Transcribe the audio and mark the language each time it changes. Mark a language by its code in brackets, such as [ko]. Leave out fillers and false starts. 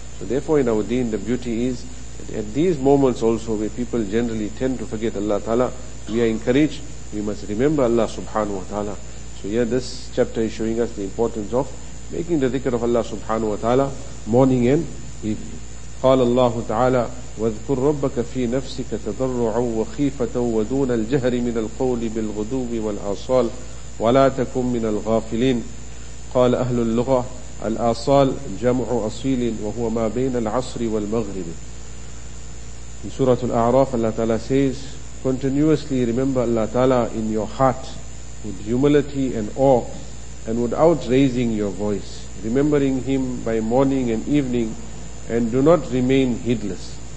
[en] So therefore in our deen, the beauty is that at these moments also where people generally tend to forget Allah ta'ala, we are encouraged, we must remember Allah subhanahu wa ta'ala. So here this chapter is showing us the importance of making the dhikr of Allah subhanahu wa ta'ala morning and evening. [ar] قال الله تعالى واذكر ربك في نفسك تضرعا وخيفة ودون الجهر من القول بالغدو والآصال ولا تكن من الغافلين. قال أهل اللغة الآصال جمع أصيل وهو ما بين العصر والمغرب. [en] In Surah Al-A'raf, Allah Ta'ala says, continuously remember Allah Ta'ala in your heart with humility and awe and without raising your voice, remembering Him by morning and evening, and do not remain heedless.